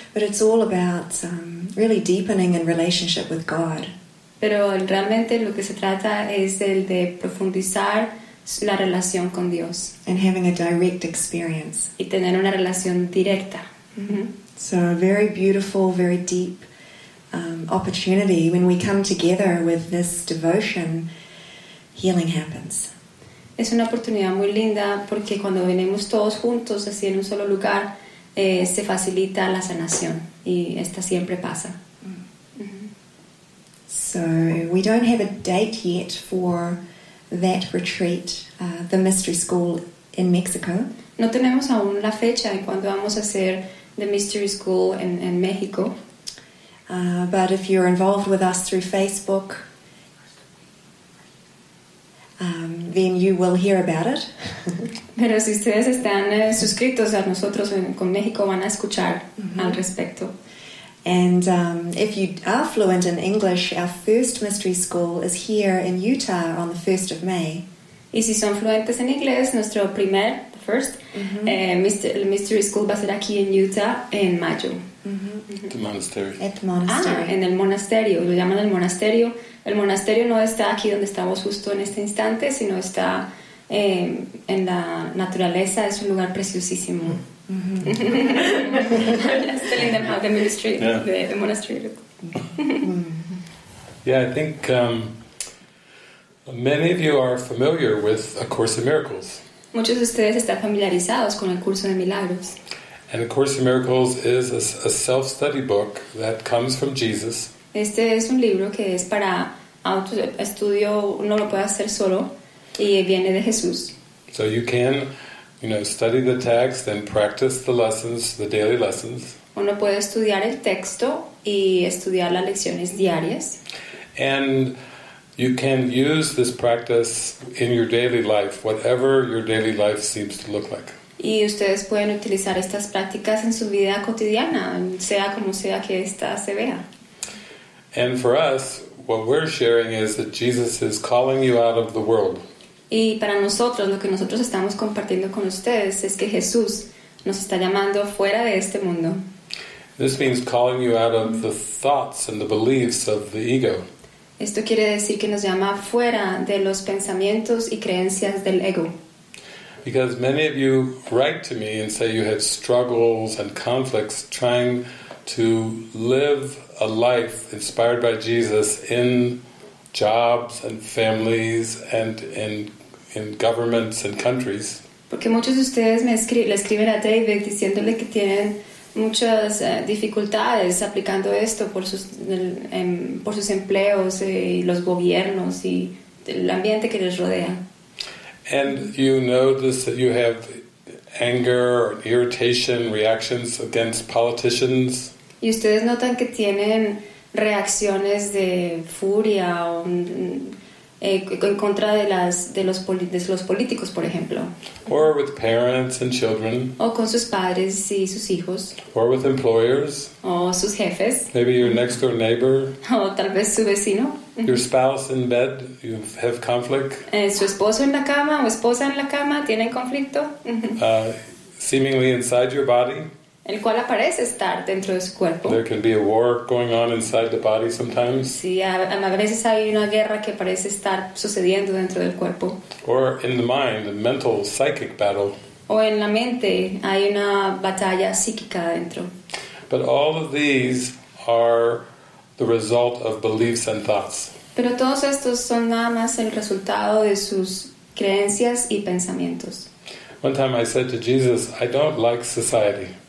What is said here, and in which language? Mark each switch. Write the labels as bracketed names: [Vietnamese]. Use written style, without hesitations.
[English] But it's all about really deepening in relationship with God. [Spanish] Pero realmente lo que se trata es el de profundizar la relación con Dios. [English] And having a direct experience. [Spanish] Y tener una relación directa. [English] Mm-hmm. So a very beautiful, very deep opportunity. When we come together with this devotion, healing happens. [Spanish] Es una oportunidad muy linda porque cuando venimos todos juntos así en un solo lugar, se facilita la sanación y esta siempre pasa. Mm-hmm. [English] So we don't have a date yet for that retreat, the Mystery School in Mexico. [Spanish] No tenemos aún la fecha de cuándo vamos a hacer the Mystery School en México. [English] But if you're involved with us through Facebook, then you will hear about it. [Spanish] Pero si ustedes están suscritos a nosotros con México, van a escuchar mm-hmm. al respecto. [English] And if you are fluent in English, our first mystery school is here in Utah on the 1st of May. [Spanish] Y si son fluentes en inglés, nuestro primer, [English] the first, [Spanish] mystery school va a ser aquí en Utah en mayo. Mm-hmm. [English] The monastery. At the monastery. [Spanish] Ah, en el monasterio. Lo llaman el monasterio. El monasterio no está aquí donde estamos justo en este instante, sino está en la naturaleza. Es un lugar preciosísimo. Mm. Mm-hmm. [English] I'm just telling them how the ministry, yeah. The monastery. Yeah, I think many of you are familiar with A Course in Miracles. [Spanish] Muchos de ustedes están familiarizados con el curso de milagros. [English] And A Course in Miracles is a self-study book that comes from Jesus. [Spanish] Este es un libro que es para autoestudio. No lo puede hacer solo, y viene de Jesús. [English] So you can, you know, study the text and practice the lessons, the daily lessons. [Spanish] Uno puede estudiar el texto y estudiar las lecciones diarias. [English] And you can use this practice in your daily life, whatever your daily life seems to look like. [Spanish] Y ustedes pueden utilizar estas prácticas en su vida cotidiana, sea como sea que esta se vea. [English] And for us, what we're sharing is that Jesus is calling you out of the world. [Spanish] Y para nosotros, lo que nosotros estamos compartiendo con ustedes es que Jesús nos está llamando fuera de este mundo. [English] This means calling you out of the thoughts and the beliefs of the ego. [Spanish] Esto quiere decir que nos llama fuera de los pensamientos y creencias del ego. [English] Because many of you write to me and say you have struggles and conflicts trying to live a life inspired by Jesus in jobs and families and in governments and countries. [Spanish] Porque muchos de ustedes le escriben a David diciéndole que tienen muchas dificultades aplicando esto por sus empleos y los gobiernos y el ambiente que les rodea. [English] And you notice that you have anger or irritation reactions against politicians. [Spanish] Y ustedes notan que tienen reacciones de furia o en contra de las de los políticos, por ejemplo. [English] Or with parents and children. [Spanish] O con sus padres y sus hijos. [English] Or with employers. [Spanish] O sus jefes. [English] Maybe your next door neighbor. [Spanish] O tal vez su vecino. [English] Your spouse in bed, you have conflict. [Spanish] Su esposo en la cama o esposa en la cama tienen conflicto. [English] Seemingly inside your body. [Spanish] El cual aparece estar dentro de su cuerpo. [English] There can be a war going on inside the body sometimes. [Spanish] Sí, a veces hay una guerra que parece estar sucediendo dentro del cuerpo. [English] Or in the mind, a mental psychic battle. [Spanish] O en la mente hay una batalla psíquica dentro. [English] But all of these are the result of beliefs and thoughts. [Spanish] Pero todos estos son nada más el resultado de sus creencias y pensamientos. [English] One time I said to Jesus, I don't like society.